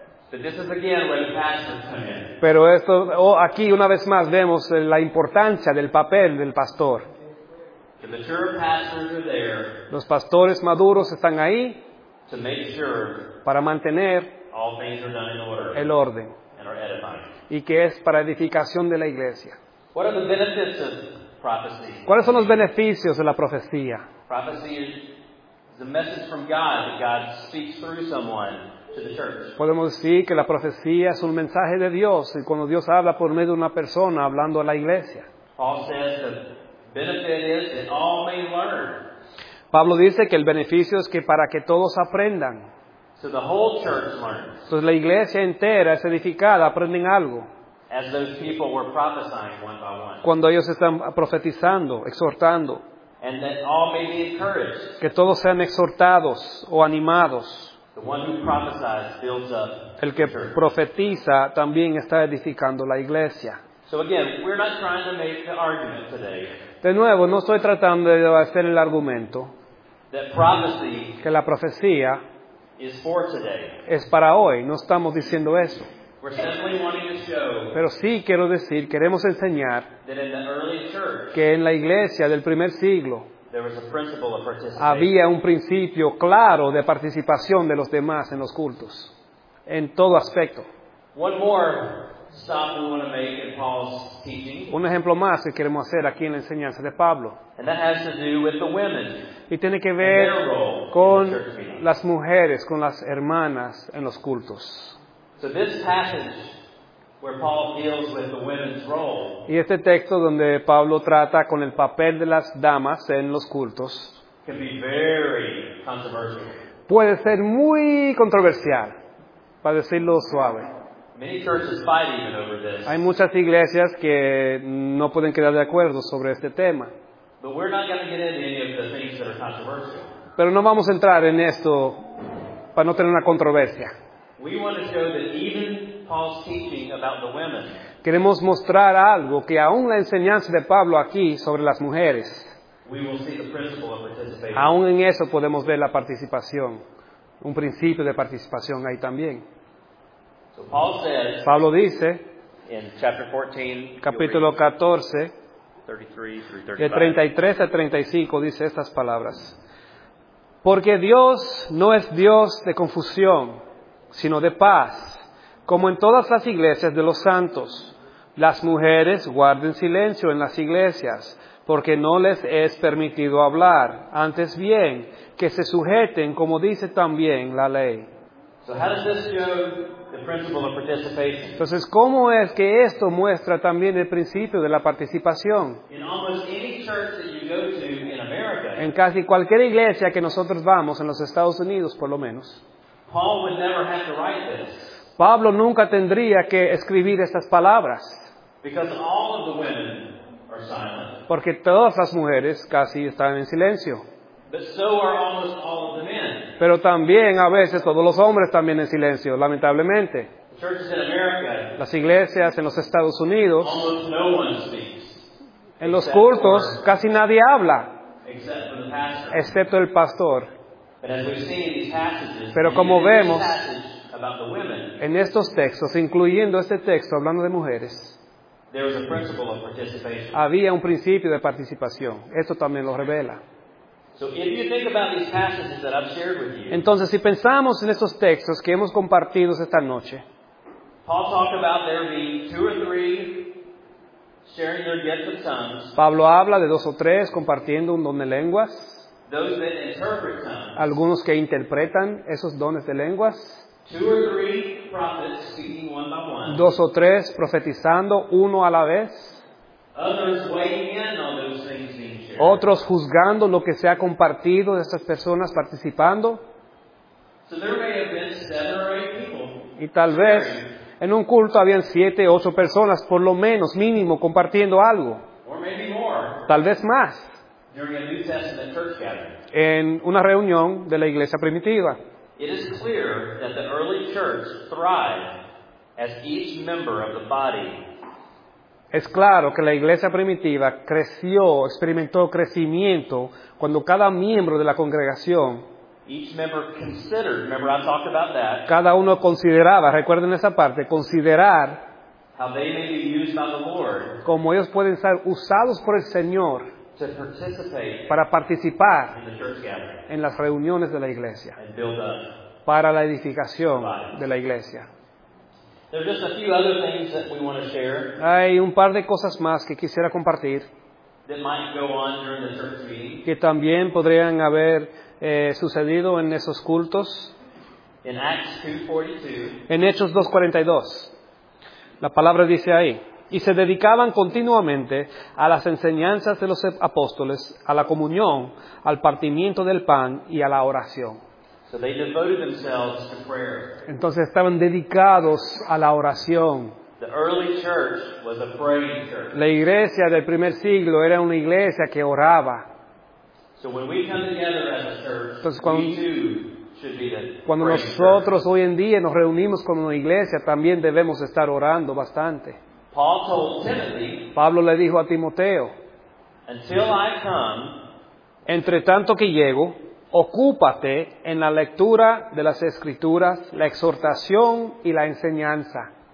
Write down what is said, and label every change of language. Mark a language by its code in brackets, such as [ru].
[en] But this is again where the pastors come in. [es] Pero esto, aquí una vez más vemos la importancia del papel del pastor. [en] The mature pastors are there. [es] Los pastores maduros están ahí. [en] To make sure. [es] Para mantener. [en] All things are done in order. [es] El orden. [en] And are edifying. [es] Y que es para edificación de la iglesia. [en] What are the benefits of prophecy? [es] ¿Cuáles son los beneficios de la profecía? [en] Prophecy is the message from God that God speaks through someone to the church. [es] Podemos decir que la profecía es un mensaje de Dios y cuando Dios habla por medio de una persona hablando a la iglesia. [en] Paul says the benefit is that all may learn. [es] Pablo dice que el beneficio es que para que todos aprendan. [en] So the whole church learns. [es] Entonces la iglesia entera es edificada, aprenden algo. [en] As those people were prophesying one by one. [es] Cuando ellos están profetizando, exhortando. [en] And that all may be encouraged. [es] Que todos sean exhortados o animados. [en] The one who prophesies builds up. [es] El que profetiza también está edificando la iglesia. [en] So again, we're not trying to make the argument today. [es] De nuevo, no estoy tratando de hacer el argumento. [en] That prophecy. [es] Que la profecía. [en] Is for today. [es] Es para hoy, no estamos diciendo eso. [en] We're simply wanting to show. [es] Pero sí quiero decir, queremos enseñar. [en] That in the early church, [es] que en la iglesia del primer siglo. [en] There was a principle of participation. [es] Había un principio claro de participación de los demás en los cultos. En todo aspecto. [en] One more stop we want to make in Paul's teaching. [es] Un ejemplo más que queremos hacer aquí en la enseñanza de Pablo. [en] And that has to do with the women. [es] Y tiene que ver con las mujeres, con las hermanas en los cultos. [en] So this passage where Paul deals with the women's role, [es] y este texto donde Pablo trata con el papel de las damas en los cultos [en] can be very controversial. [es] Puede ser muy controversial, para decirlo suave. [en] Many churches fight even over this. [es] Hay muchas iglesias que no pueden quedar de acuerdo sobre este tema. [en] But we're not going to get into any of the things that are controversial. [es] Pero no vamos a entrar en esto para no tener una controversia. [en] We want to show that even Paul's teaching about the women. [es] Queremos mostrar algo que aún la enseñanza de Pablo aquí sobre las mujeres. [en] We will see the principle of participation. [es] Aún en eso podemos ver la participación, un principio de participación ahí también. [en] So Paul says. [es] Pablo dice. [en] In chapter 14. [es] Capítulo 14. [en] 33 through 35. [es] De 33 a 35 dice estas palabras. Porque Dios no es Dios de confusión, sino de paz. Como en todas las iglesias de los santos, las mujeres guarden silencio en las iglesias, porque no les es permitido hablar, antes bien, que se sujeten como dice también la ley. [en] So how does this show the principle of participation? [es] Entonces, ¿cómo es que esto muestra también el principio de la participación? [en] In almost any church that you go to in America, [es] en casi cualquier iglesia que nosotros vamos, en los Estados Unidos por lo menos, [en] Paul would never have to write this. [es] Pablo nunca tendría que escribir estas palabras. [en] Because all of the women are silent. [es] Porque todas las mujeres casi están en silencio. [en] But so are almost all of the men. [es] Pero también a veces todos los hombres también en silencio, lamentablemente. [en] The churches in America, [es] las iglesias en los Estados Unidos, [en] almost no one speaks. [es] En los cultos casi nadie habla. [en] Except for the pastor. [es] Excepto el pastor. [en] But as we've seen these passages, [es] pero como vemos [en] about the women, [es] en estos textos, incluyendo este texto hablando de mujeres, [en] there was a principle of participation. [es] Había un principio de participación. Esto también lo revela. Entonces, si pensamos en estos textos que hemos compartido esta noche, [en] Paul talked about there being two or three sharing their gifts of tongues. [es] Pablo habla de dos o tres compartiendo un don de lenguas. [en] Those that interpret tongues. [es] Algunos que interpretan esos dones de lenguas. [en] Two or three prophets speaking one by one. [es] Dos o tres profetizando uno a la vez. [en] Others weighing in on those things being shared. [es] Otros juzgando lo que se ha compartido de estas personas participando. [en] So there may have been seven or eight people. [es] Y tal vez en un culto habían siete, ocho personas por lo menos, mínimo, compartiendo algo. [en] Or maybe more. [es] Tal vez más. [en] During a New Testament church gathering. [es] En una reunión de la iglesia primitiva. [en] It is clear that the early church thrived as each member of the body [es] Es claro que la iglesia primitiva creció, experimentó crecimiento cuando cada miembro de la congregación, [en] each member considered, remember I talked about that, [es] cada uno consideraba, recuerden esa parte, considerar [en] how they may be used by the Lord, [es] cómo ellos pueden ser usados por el Señor [en] to participate [es] para participar [en] in the church gathering, [es] en las reuniones de la iglesia [en] and build up [es] para la edificación de la iglesia. [en] There are just a few other things that we want to share. [es] Hay un par de cosas más que quisiera compartir. [en] That might go on during the church meeting. [es] Que también podrían haber sucedido en esos cultos. [en] In Acts 2:42. [es] En Hechos 2:42. La palabra dice ahí. Y se dedicaban continuamente a las enseñanzas de los apóstoles, a la comunión, al partimiento del pan y a la oración. [en] So they devoted themselves to prayer. [es] Entonces estaban dedicados a la oración. [en] The early church was a praying church. [es] La iglesia del primer siglo era una iglesia que oraba. [en] So when we come together as a church, [es] entonces, cuando, [en] we too should be the praying church. [es] Cuando nosotros hoy en día nos reunimos como una iglesia, también debemos estar orando bastante. [en] Paul told Timothy, [es] Pablo le dijo a Timoteo, [en] until I come, [es] entre tanto que llego, ocúpate en la lectura de las Escrituras, la exhortación y la enseñanza.